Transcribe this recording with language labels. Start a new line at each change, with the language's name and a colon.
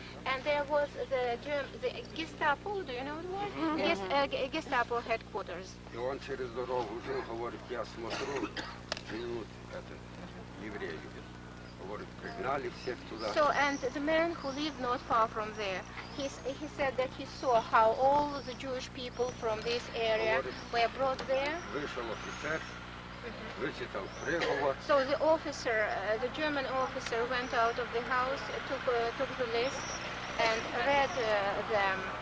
English: And there was the Gestapo, do you know what it was? Mm-hmm. Gestapo headquarters.
Russian: И он через дорогу жил, говорит, я смотрю, минут это евреи. Говорит, пригнали всех туда.
English: So, and the man who lived not far from there, he said that he saw how all the Jewish people from this area were brought there.
Russian: Вышел офицер, вычитал приговор.
English: So the officer, the German officer went out of the house, took the list, and read them.